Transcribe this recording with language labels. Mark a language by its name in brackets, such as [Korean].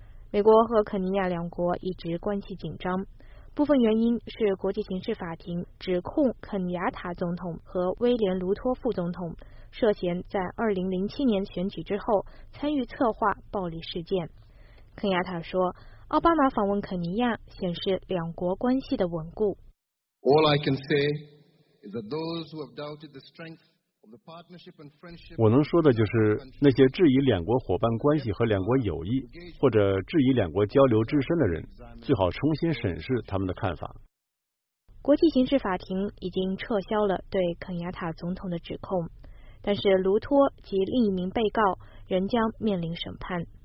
[Chinese] 美国和肯尼亚两国一直关系紧张，部分原因是国际刑事法庭指控肯雅塔总统和威廉卢托副总统涉嫌在2007年选举之后参与策划暴力事件。肯雅塔说，奥巴马访问肯尼亚显示两国关系的稳固。 [English] All I can say is that those who have doubted the strength of the partnership and friendship. [Chinese] 我能说的就是那些质疑两国伙伴关系和两国友谊，或者质疑两国交流之深的人，最好重新审视他们的看法。国际刑事法庭已经撤销了对肯雅塔总统的指控，但是卢托及另一名被告仍将面临审判。